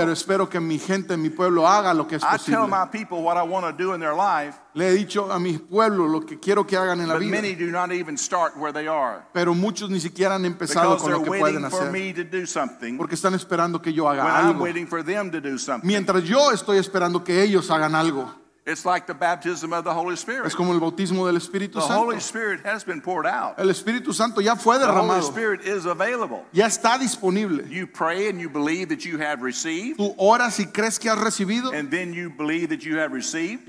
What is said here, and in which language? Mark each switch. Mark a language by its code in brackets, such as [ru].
[es] Pero espero que mi gente, mi pueblo haga lo que es posible. [en] I tell my people what I want to do in their life. [es] Le he dicho a mi pueblo lo que quiero que hagan en la vida. [en] But many do not even start where they are. [es] Pero muchos ni siquiera han empezado con lo que pueden hacer. [en] Because they're waiting for me to do something. [es] Porque están esperando que yo haga [en] when [es] algo. [en] When I'm waiting for them to do something. [es] Mientras yo estoy esperando que ellos hagan algo. [en] It's like the baptism of the Holy Spirit. [es] Es como el bautismo del Espíritu Santo. [en] The Holy Spirit has been poured out. [es] El Espíritu Santo ya fue derramado. [en] The Holy Spirit is available. [es] Ya está disponible. [en] You pray and you believe that you have received. [es] Tú oras y crees que has recibido. [en] And then you believe that you have received.